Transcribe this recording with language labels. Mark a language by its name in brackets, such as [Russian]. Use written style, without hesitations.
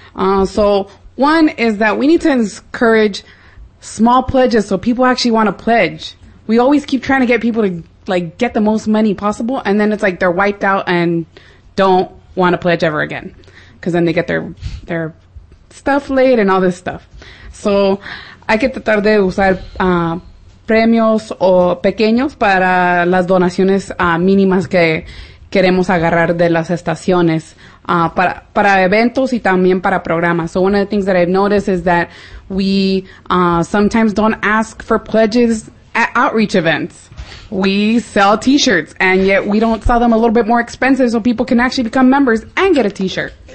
[English] So one is that we need to encourage small pledges so people actually want to pledge. We always keep trying to get people to, like, get the most money possible, and then it's like they're wiped out and don't want to pledge ever again because then they get their stuff late and all this stuff. [Spanish] So hay que tratar de usar premios o pequeños para las donaciones mínimas que queremos agarrar de las estaciones para eventos y también para programas. [English] So one of the things that I've noticed is that we sometimes don't ask for pledges at outreach events. We sell T-shirts, and yet we don't sell them a little bit more expensive so people can actually become members and get a T-shirt.